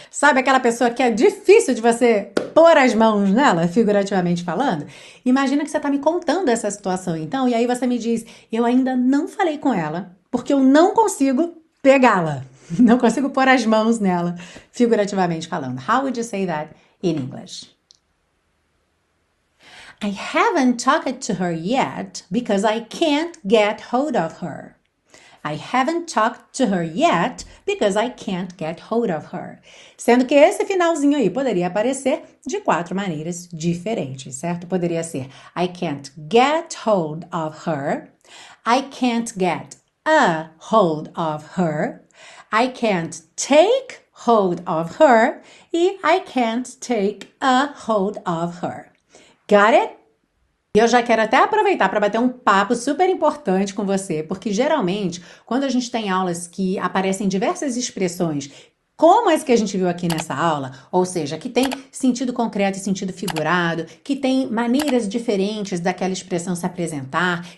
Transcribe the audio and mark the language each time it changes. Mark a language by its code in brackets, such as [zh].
[pt] Sabe aquela pessoa que é difícil de você pôr as mãos nela, figurativamente falando? Imagina que você tá me contando essa situação então, e aí você me diz, eu ainda não falei com ela, porque eu não consigo pegá-la. Não consigo pôr as mãos nela, figurativamente falando. [en] How would you say that in English? I haven't talked to her yet because I can't get hold of her. I haven't talked to her yet because I can't get hold of her. [pt] Sendo que esse finalzinho aí poderia aparecer de quatro maneiras diferentes, certo? Poderia ser [en] I can't get hold of her. I can't get a hold of her. I can't take hold of her e I can't take a hold of her. Got it? [pt] E eu já quero até aproveitar para bater um papo super importante com você, porque geralmente, quando a gente tem aulas que aparecem diversas expressões, como as que a gente viu aqui nessa aula, ou seja, que tem sentido concreto e sentido figurado, que tem maneiras diferentes daquela expressão se apresentar.